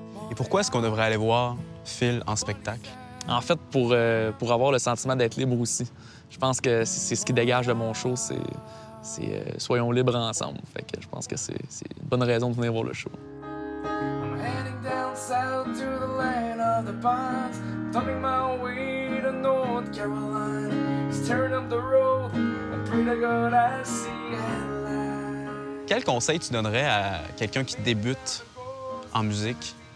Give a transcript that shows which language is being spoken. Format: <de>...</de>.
<fr>Et pourquoi est-ce qu'on devrait aller voir Phil en spectacle? En fait, pour avoir le sentiment d'être libre aussi. Je pense que c'est ce qui dégage de mon show, c'est « Soyons libres ensemble ». Fait que je pense que c'est une bonne raison de venir voir le show.</fr> <en>I'm heading down south to the land of the pines, thumbing my way to North Carolina, staring up the road, I'm pretty to God I see.</en> <fr>Quel conseil tu donnerais à quelqu'un qui débute en musique?</fr>